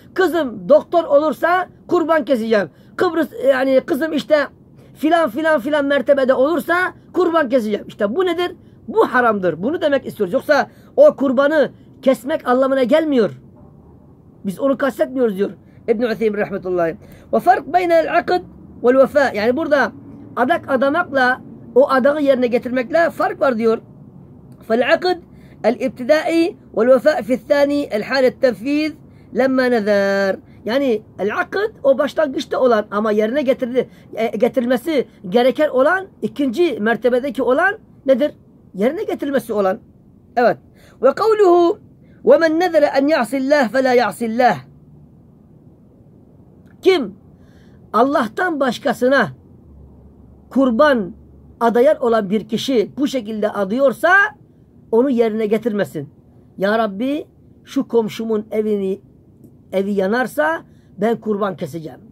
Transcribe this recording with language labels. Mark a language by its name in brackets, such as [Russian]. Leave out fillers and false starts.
[Turkish] Kızım doktor olursa kurban keseceğim. Kıbrıs yani kızım işte filan mertebede olursa kurban keseceğim. İşte bu nedir? Bu haramdır. Bunu demek istiyoruz. Yoksa o kurbanı kesmek anlamına gelmiyor. Biz onu kastetmiyoruz diyor İbn-i Uthaymin rahmetullahi. [Arabic] Ve fark beynel akıd vel vefa. [Turkish] Yani burada adak adamakla o adağı yerine getirmekle fark var diyor. [Arabic] فالعقد الابتدائي والوفاء في الثاني الحال التنفيذ لما نذر. [Turkish] Yani العقد o başlangıçta olan ama yerine getirilmesi gereken olan ikinci mertebedeki olan nedir? Yerine getirilmesi olan. Evet. [Arabic] Ve kavluhu ومن نذر أن يعصي الله فلا يعصي الله. [Turkish] Kim Allah'tan başkasına kurban adayan olan bir kişi bu şekilde adıyorsa onu yerine getirmesin. Ya Rabbi şu komşumun evi yanarsa ben kurban keseceğim.